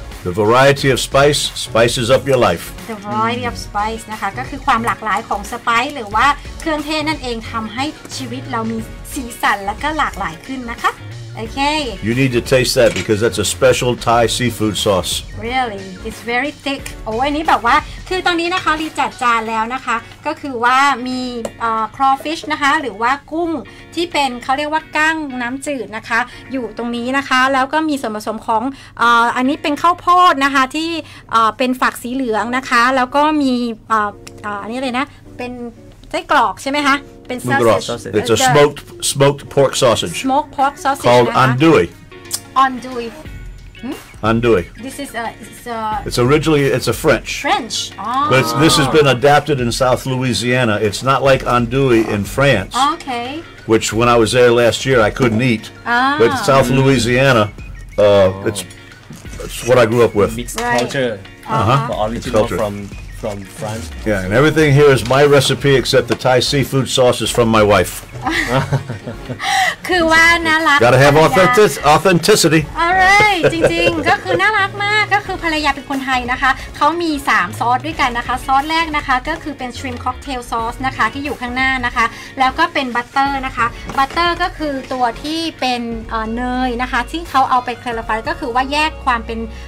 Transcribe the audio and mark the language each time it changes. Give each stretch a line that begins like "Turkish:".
English: The variety of spice spices up your life. The variety of spice
Thai: นะคะก็คือความหลากหลายของสไปซ์หรือว่าเครื่องเทศนั่นเองทำให้ชีวิตเรามีสีสันและก็หลากหลายขึ้นนะคะโอเค
English: You need to taste that because that's a special Thai seafood sauce. Really, it's very thick.
Thai: Oh, อันนี้แบบว่าคือตอนนี้นะคะรีจัดจานแล้วนะคะก็คือว่ามีcrawfish นะคะหรือว่ากุ้งที่เป็นเขาเรียกว่าก้างน้ำจืดนะคะอยู่ตรงนี้นะคะแล้วก็มีส่วนผสมของอันนี้เป็นข้าวโพดนะคะที่เป็นฝักสีเหลืองนะคะแล้วก็มีอันนี้เลยนะเป็นไส้กรอกใช่ไหมคะเป็น sausage
English: it's a smoked pork sausage smoked pork sausage called andouille andouille andouille this is a it's originally it's a french but this has been adapted in South Louisiana it's not like andouille in France okay which when I was there last year I couldn't eat but South Louisiana it's what I grew up with mixed culture originally from France yeah and everything here is my recipe except the Thai seafood sauce is from my wife
Thai: คือว่าน่ารัก กันนะ
English: Got to have authenticity All right
Thai: จริงๆก็คือน่ารักมากก็คือภรรยาเป็นคนไทยนะคะเขามี3ซอสด้วยกันนะคะซอสแรกนะคะก็คือเป็น shrimp cocktail sauce นะคะที่อยู่ข้างหน้านะคะแล้วก็เป็นบัตเตอร์นะคะบัตเตอร์ก็คือตัวที่เป็นเนยนะคะที่เขาเอาไป clarify ก็คือว่าแยกความเป็น